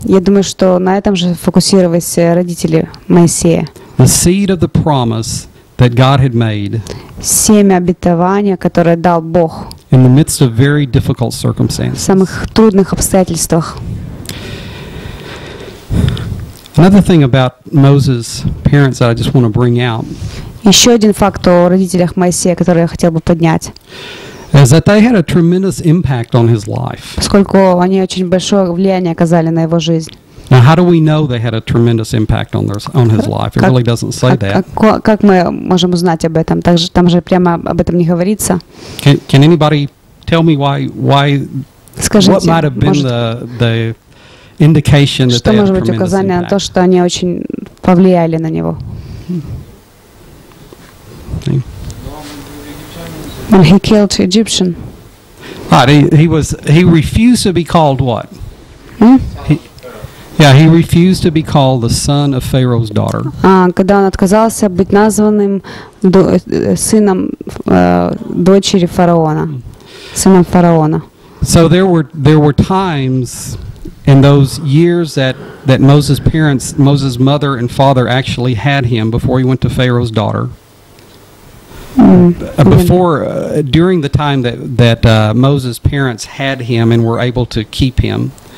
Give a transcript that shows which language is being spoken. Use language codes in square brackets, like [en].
[ru] Я думаю, что на этом же фокусировались родители Моисея. [en] The seed of the promise that God had made. [ru] Семя обетования, которое дал Бог. [en] In the midst of very difficult circumstances. [ru] В самых трудных обстоятельствах. [en] Another thing about Moses' parents that I just want to bring out. [ru] Еще один факт о родителях Моисея, который я хотел бы поднять. [en] Is that they had a tremendous impact on his life. [ru] Поскольку они очень большое влияние оказали на его жизнь. [en] Now, how do we know they had a tremendous impact on their on his life? It really doesn't say that. [ru] Как мы можем узнать об этом? Также там же прямо об этом не говорится. [en] Can anybody tell me why? [ru] Скажите, [en] what might have been the indication that they had a tremendous impact? [ru] Что может быть указание на то, что они очень повлияли на него? [en] When he killed the Egyptian. Right, he refused to be called what? Yeah, he refused to be called the son of Pharaoh's daughter. [ru] Когда он отказался быть названным сыном дочери фараона, сыном фараона. [en] So there were times in those years that Moses' mother and father actually had him before he went to Pharaoh's daughter. During the time that Moses' parents had him and were able to keep him.